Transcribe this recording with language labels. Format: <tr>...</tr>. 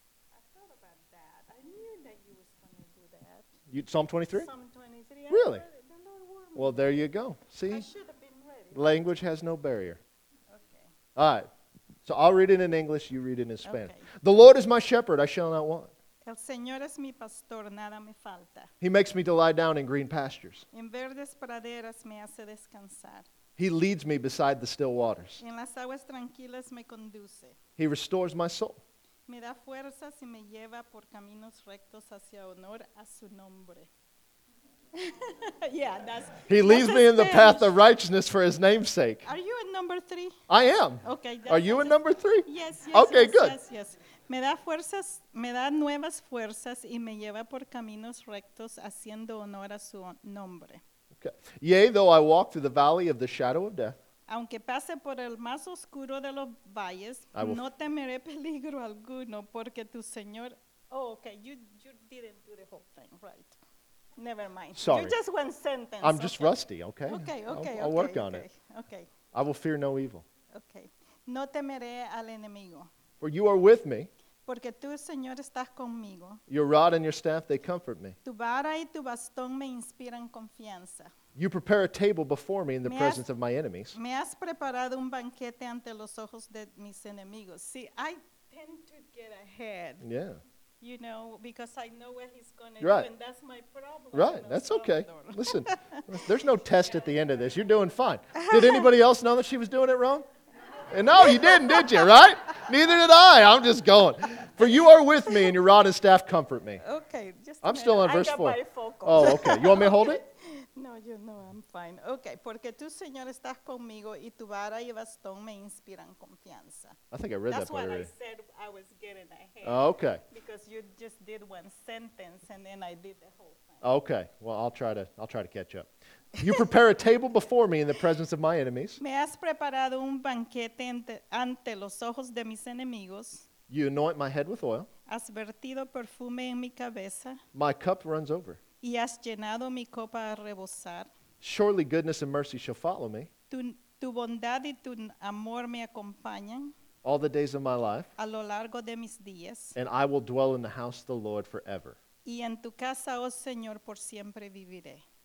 <en>I thought about that. I knew that you was going to do that. Psalm 23? Really? Well, there you go. See? I should have been ready. Language has no barrier. Okay. All right. So I'll read it in English, you read it in Spanish. Okay. The Lord is my shepherd, I shall not want.</en> <es>El Señor es mi pastor, nada me falta.</es> <en>He makes me to lie down in green pastures.</en> <es>En verdes praderas me hace descansar.</es> <en>He leads me beside the still waters.</en> <es>En las aguas tranquilas me conduce.</es> <en>He restores my soul.</en> <es>Me da fuerzas y me lleva por caminos rectos hacia honor a su nombre.</es> <en>Yeah, he leads me in the path of righteousness for his name's sake. Are you in number 3? I am. Okay. Are you in number 3? Yes. Okay, yes, good. Yes.</en> <es>Me da fuerzas, me da nuevas fuerzas y me lleva por caminos rectos haciendo honor a su nombre.</es> <en>Okay. Yea, though I walk through the valley of the shadow of death.</en> <es>Aunque pase por el más oscuro de los valles, no temeré peligro alguno, porque tu Señor...</es> <en>Oh, okay, you didn't do the whole thing, right. Never mind. Sorry. You're just one sentence. I'm just rusty, okay? Okay, I'll work on it. Okay. I will fear no evil.</en> <es>Okay. No temeré al enemigo.</es> <en>For you are with me.</en> <es>Porque tú, Señor, estás conmigo.</es> <en>Your rod and your staff, they comfort me.</en> <es>Tu vara y tu bastón me inspiran confianza.</es> <en>You prepare a table before me in the presence of my enemies.</en> <es>Me has preparado un banquete ante los ojos de mis enemigos.</es> <en>See, I tend to get ahead. Yeah. You know, because I know where he's going to do, and that's my problem. Right, that's okay. Listen, there's no test at the end of this. You're doing fine. Did anybody else know that she was doing it wrong? And no, you didn't, did you, right? Neither did I. I'm just going. For you are with me, and your rod and staff comfort me. Okay. I'm still on verse 4. I got my focus. Oh, okay. You want me to hold it? No, I'm fine. Okay.</en> <es>Porque tú, Señor, estás conmigo, y tu vara y bastón me inspiran confianza.</es> <en>I think I read that part already. That's why I said I was getting ahead. Okay. Because you just did one sentence, and then I did the whole thing. Okay. Well, I'll try to catch up. You prepare a table before me in the presence of my enemies.</en> <es>Me has preparado un banquete ante los ojos de mis enemigos.</es> <en>You anoint my head with oil.</en> <es>Has vertido perfume en mi cabeza.</es> <en>My cup runs over.</en> <es>Y has llenado mi copa a rebosar.</es> <en>Surely goodness and mercy shall follow me.</en> <es>Tu bondad y tu amor me acompañan.</es> <en>All the days of my life.</en> <es>A lo largo de mis días.</es> <en>And I will dwell in the house of the Lord forever.</en> <es>Y en tu casa, oh Señor, por siempre viviré.</es>